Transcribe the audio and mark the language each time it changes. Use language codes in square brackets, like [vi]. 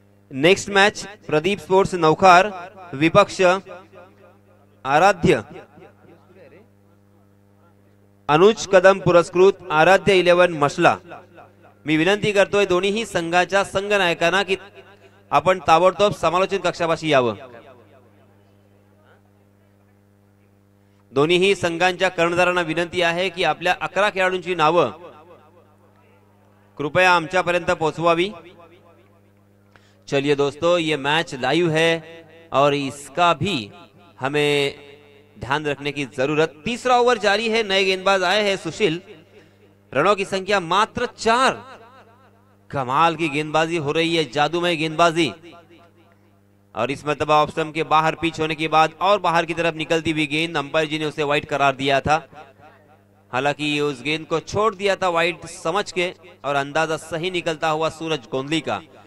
[hi] Next match Pradeep sports नौखार विपक्ष आराध्य, अनुज कदम पुरस्कृत आराध्य 11 मसला। [mr] मी विनंती करतोय दोन्ही ही संघाच्या संघ नायकांना की आपण ताबडतोब समालोचन कक्षापाशी यावं, दोन्ही ही संघांच्या कर्णधारांना विनंती आहे की आपल्या 11 खेळाडूंची नावं कृपया आमच्यापर्यंत पोहोचवावी। [hi] चलिए दोस्तों, ये मैच लाइव है और इसका भी हमें ध्यान रखने की जरूरत। तीसरा ओवर जारी है, नए गेंदबाज आए हैं सुशील, रनों की संख्या मात्र 4, कमाल की गेंदबाजी हो रही है, जादुमय गेंदबाजी, और इस मरतबा ऑफ स्टंप के बाहर पिच होने के बाद और बाहर की तरफ निकलती हुई गेंद, अंपायर जी ने उसे व्हाइट करार दिया था, हालांकि उस गेंद को छोड़ दिया था व्हाइट समझ के, और अंदाजा सही निकलता हुआ सूरज गोंदली का।